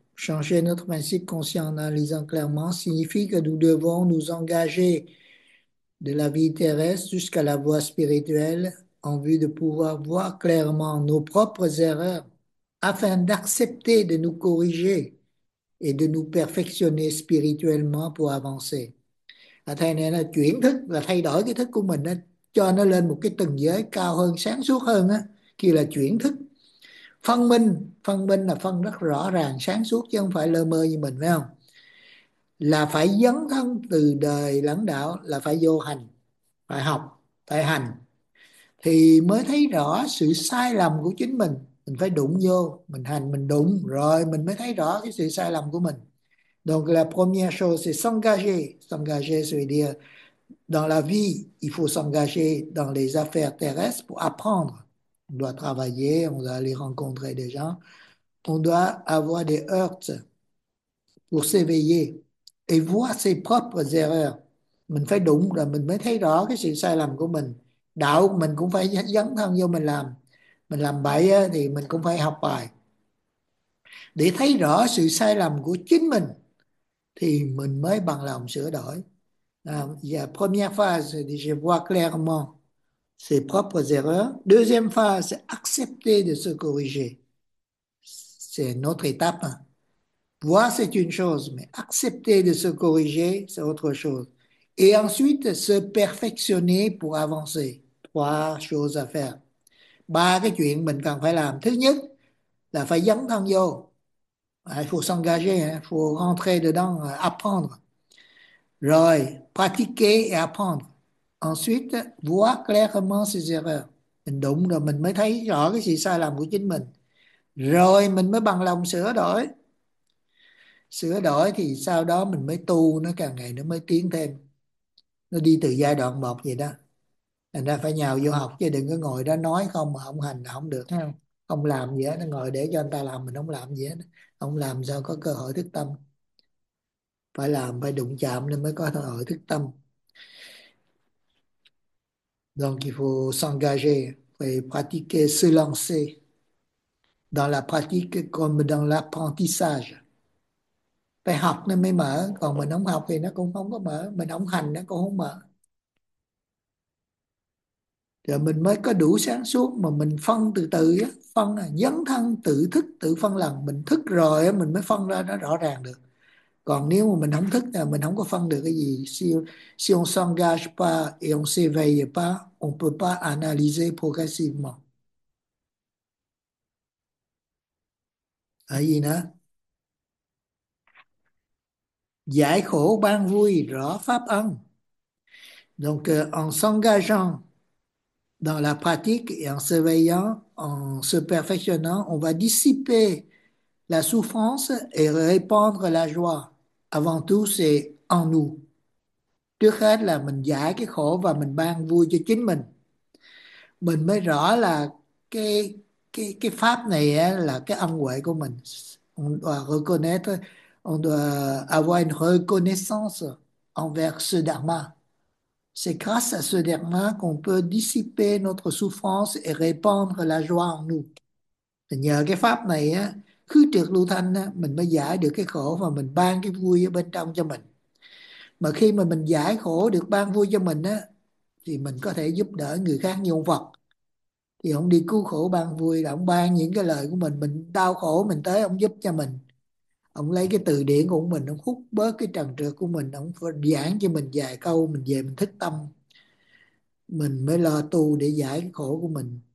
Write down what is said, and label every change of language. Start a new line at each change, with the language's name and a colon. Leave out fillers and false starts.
French: Changer notre principe conscient en analysant clairement signifie que nous devons nous engager de la vie terrestre jusqu'à la voie spirituelle en vue de pouvoir voir clairement nos propres erreurs afin d'accepter de nous corriger et de nous perfectionner spirituellement pour avancer.
Vietnamese: Là thay nên là chuyển thức, là thay đổi cái thức của mình đó, cho nó lên một cái tầng giới cao hơn, sáng suốt hơn á, kia là chuyển thức. Phân minh là phân rất rõ ràng, sáng suốt chứ không phải lơ mơ như mình, phải không? Là phải dấn thân từ đời lãnh đạo, là phải vô hành, phải học, phải hành thì mới thấy rõ sự sai lầm của chính mình. Mình phải đụng vô, mình hành, mình đụng rồi mình mới thấy rõ cái sự sai lầm của mình.
French: Donc la première chose c'est s'engager. S'engager, ça veut dire dans la vie, il faut s'engager dans les affaires terrestres pour apprendre. On doit travailler, on doit aller rencontrer des gens. On doit avoir des heurts pour s'éveiller et voir ses propres erreurs.
Vietnamese: Mình phải đụng rồi mình mới thấy rõ cái sự sai lầm của mình. Đạo mình cũng phải dấn thân vô mình làm. Mình làm bậy thì mình cũng phải học bài. Để thấy rõ sự sai lầm của chính mình thì mình mới bằng lòng sửa đổi.
French: Première phase, je vois clairement ses propres erreurs. Deuxième phase, c'est accepter de se corriger. C'est une autre étape. Voir, c'est une chose, mais accepter de se corriger, c'est autre chose. Et ensuite, se perfectionner pour avancer. Trois choses à faire.
Vietnamese: Ba cái chuyện mình cần phải làm. Thứ nhất là phải dấn thân vô.
French: Il faut s'engager, il faut rentrer dedans, apprendre. Rồi, pratiquer et apprendre. Ensuite, voir clairement ses erreurs.
Vietnamese: Mình đụng rồi mình mới thấy rõ cái sự sai lầm của chính mình. Rồi mình mới bằng lòng sửa đổi. Sửa đổi thì sau đó mình mới tu, nó càng ngày nó mới tiến thêm. Nó đi từ giai đoạn một vậy đó. Thành ra phải nhào vô học chứ đừng có ngồi đó nói không mà không hành là không được. Không làm gì hết, nó ngồi để cho anh ta làm mình không làm gì hết. Không làm sao có cơ hội thức tâm. Phải làm, phải đụng chạm nên mới có cơ hội thức tâm.
French: Donc il faut s'engager, phải pratiquer, se lancer dans la pratique comme dans l'apprentissage.
Vietnamese: Phải học nó mới mở, còn mình không học thì nó cũng không có mở, mình không hành nó cũng không mở. Rồi mình mới có đủ sáng suốt mà mình phân từ từ, phân dấn thân, tự thức, tự phân lần. Mình thức rồi mình mới phân ra nó rõ ràng được. Còn nếu mà mình không thức là mình không có phân được cái gì.
French: Si on s'engage pas et on s'éveille pas, on peut pas analyser progressivement.
Vietnamese: Ai gì nữa? Giải khổ ban vui, rõ pháp ân.
French: Donc en s'engageant dans la pratique et en s'éveillant, en se perfectionnant, on va dissiper la souffrance et répandre la joie. Avant tout, c'est en nous.
Vietnamese: Trước hết là mình giải cái khổ và mình ban vui cho chính mình. Mình mới rõ là cái pháp này là cái ân huệ của mình.
French: On doit reconnaître, on doit avoir une reconnaissance envers ce dharma. C'est grâce à ce dharma qu'on peut dissiper notre souffrance et répandre la joie en nous.
Vietnamese: Nhờ cái pháp này á, khứ trượt lưu thanh á, mình mới giải được cái khổ và mình ban cái vui ở bên trong cho mình. Mà khi mà mình giải khổ được ban vui cho mình á, thì mình có thể giúp đỡ người khác như ông Phật. thì ông đi cứu khổ ban vui, là ông ban những cái lời của mình đau khổ mình tới ông giúp cho mình, ông lấy cái từ điển của mình, ông hút bớt cái trần trược của mình, ông giảng cho mình vài câu, mình về mình thức tâm, mình mới lo tu để giải cái khổ của mình.